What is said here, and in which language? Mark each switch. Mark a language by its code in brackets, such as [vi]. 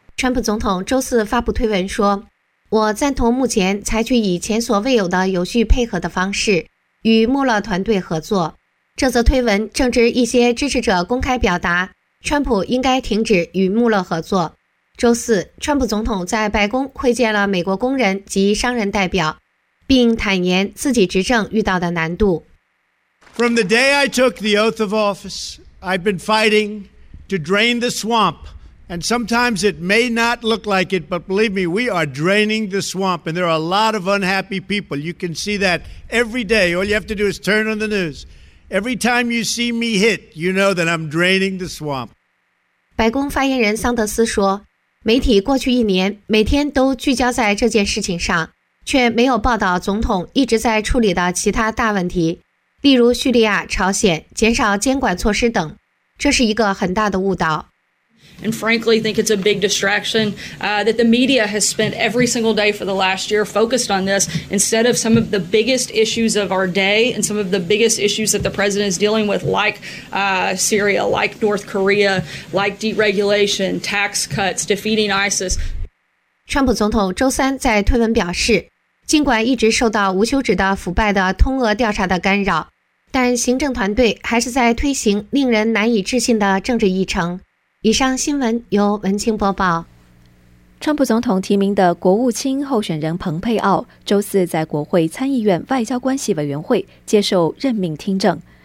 [zh] 川普总统周四发布推文说，我赞同目前采取以前所未有的有序配合的方式与穆勒团队合作。这则推文正值一些支持者公开表达川普应该停止与穆勒合作。周四，川普总统在白宫会见了美国工人及商人代表，并坦言自己执政遇到的难度。 [en] From the day I took the oath of office, I've been fighting to drain the swamp. And sometimes it may not look like it, but believe me, we are draining the swamp. And there are a lot of unhappy people. You can see that every day. All you have to do is turn on the news. Every time you see me hit, you know that I'm draining the swamp. [zh] 白宫发言人桑德斯说，媒体过去一年每天都聚焦在这件事情上，却没有报道总统一直在处理的其他大问题，例如叙利亚、朝鲜、减少监管措施等。这是一个很大的误导。 [en] and frankly think it's a big distraction that the media has spent every single day for the last year focused on this instead of some of the biggest issues of our day and some of the biggest issues that the president is dealing with, like Syria, like North Korea, like deregulation, tax cuts, defeating ISIS. [zh] 川普总统周三在推文表示，尽管一直受到无休止的腐败的通俄调查的干扰，但行政团队还是在推行令人难以置信的政治议程。以上新闻由文清播报。川普总统提名的国务卿候选人蓬佩奥周四在国会参议院外交关系委员会接受任命听证。